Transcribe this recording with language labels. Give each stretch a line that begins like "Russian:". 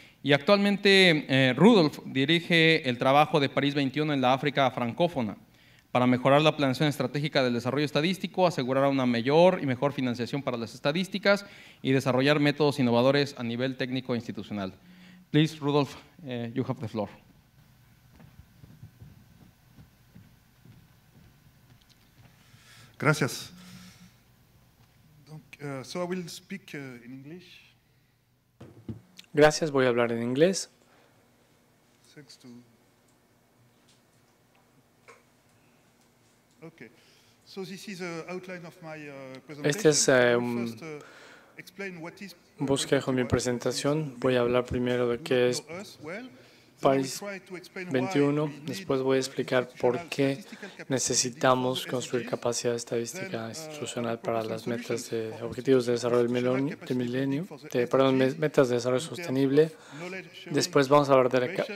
Spanish: Y actualmente Rudolf dirige el trabajo de París 21 en la África francófona para mejorar la planeación estratégica del desarrollo estadístico, asegurar una mayor y mejor financiación para las estadísticas y desarrollar métodos innovadores a nivel técnico e institucional.
English: Please, Rudolf, you have the floor.
Spanish: Gracias.
English: So I will speak in English.
Spanish: Gracias, voy a hablar en inglés.
English: Thanks to. Okay. So this is an outline of my presentation.
Spanish: Este es
English: explain what is
Spanish: bosquejo de mi presentación. Voy a hablar primero de qué es París 21. Después voy a explicar por qué necesitamos construir capacidad estadística institucional para las metas de objetivos de desarrollo metas de desarrollo sostenible. Después vamos a hablar de la